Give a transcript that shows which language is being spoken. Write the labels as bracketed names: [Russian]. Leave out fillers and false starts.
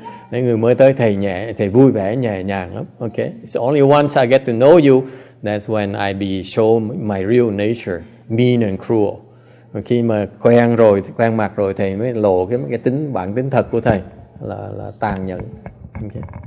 [Vietnamese] Nếu người mới tới thầy nhẹ, thầy vui vẻ nhẹ nhàng lắm. [English] Okay. So only once I get to know you, that's when I be show my real nature, mean and cruel. [Vietnamese] Khi mà quen rồi, quen mặt rồi, thầy mới lộ cái tính bản tính thật của thầy là tàn nhẫn. Okay.